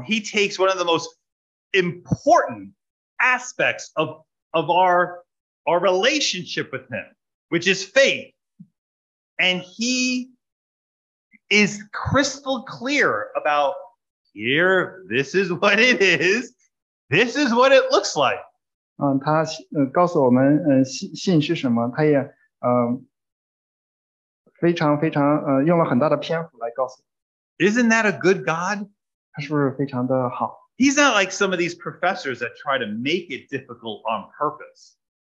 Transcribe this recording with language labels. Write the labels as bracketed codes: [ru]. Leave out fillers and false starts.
[en] He takes one of the most important aspects of our relationship with him, which is faith. And he is crystal clear about here, this is what it is, this is what it looks like. [zh] 他告诉我们信是什么，他也非常用了很大的篇幅来告诉。 [en] Isn't that a good God? [zh] 他是不是非常的好？ [en] He's not like some of these professors that try to make it difficult on purpose.